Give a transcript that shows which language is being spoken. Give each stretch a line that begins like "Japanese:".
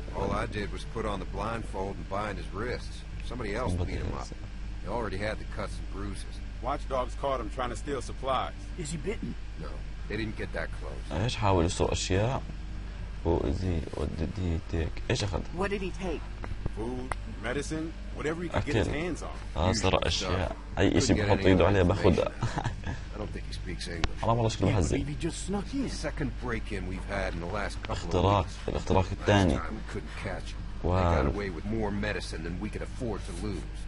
English: All I did was put on the blindfold and bind his wrists. Somebody else beat him up. He already had the cuts and bruises. Watchdogs caught him trying to steal supplies. Is he bitten? No, they didn't get that close.
Arabic: ايش حاول يسرق اشياء؟
English: What did he take?
Arabic: ايش اخذ؟
English: What did he take? food, medicine, whatever he could get his hands on. I don't think he speaks English. I can't believe he just snuck in. Second break-in we've had in the last couple of weeks. Last time we couldn't catch him. He got away with more medicine than we could afford to lose.